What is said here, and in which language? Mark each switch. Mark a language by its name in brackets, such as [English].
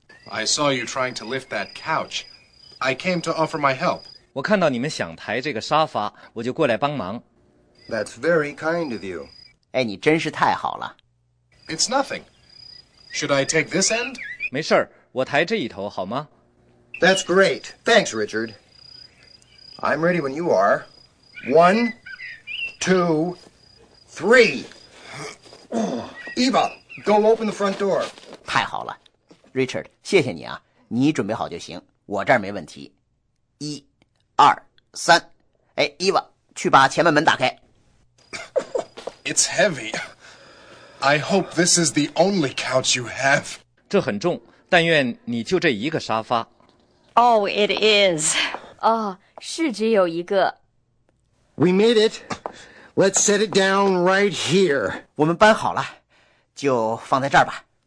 [English] I saw you trying to lift that couch. I came to offer my help. [Chinese] 我看到你们想抬这个沙发，我就过来帮忙。 [English] That's very kind of you. [Chinese] 哎，你真是太好了。 [English] It's nothing. Should I take this end? [Chinese] 没事儿，我抬这一头好吗？ [English] That's great. Thanks, Richard. I'm ready when you are. One, two, three. Eva, go open the front door. [Chinese] 太好了 ，Richard， 谢谢你啊。你准备好就行，我这儿没问题。一、二、三。哎 ，Eva， 去把前门门打开。 [English] It's heavy. I hope this is the only couch you have. [Chinese] 这很重，但愿你就这一个沙发。 [English] Oh, it is. [Chinese] 哦，是只有一个。 [English] We made it. Let's set it down right here. [Chinese] 我们搬好了，就放在这儿吧。